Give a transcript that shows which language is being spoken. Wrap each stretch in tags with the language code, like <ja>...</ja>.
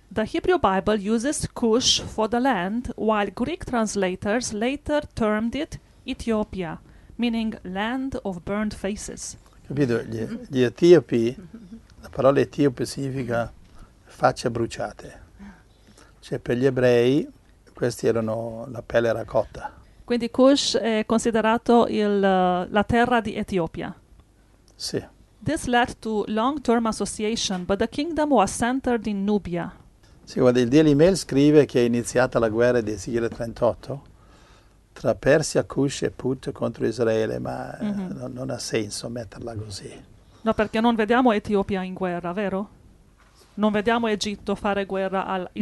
<en>The Hebrew Bible uses Cush for the land, while Greek translators later termed it Ethiopia, meaning land of burnt faces.</en> <it>Capito? Gli etiopi, la parola etiope significa facce bruciate. Cioè per gli ebrei, questi erano la pelle era cotta. Quindi Cush è considerato la terra di Etiopia. Sì.</it> <en>This led to long-term association, but the kingdom was centered in Nubia.</en> <it>Sì, guarda, il Daily Mail scrive che è iniziata la guerra di Ezechiele 38 tra Persia, Cush e Put contro Israele, ma non ha senso metterla così. No, perché non vediamo Etiopia in guerra, vero? Non vediamo Egitto fare guerra all'Israele.</it>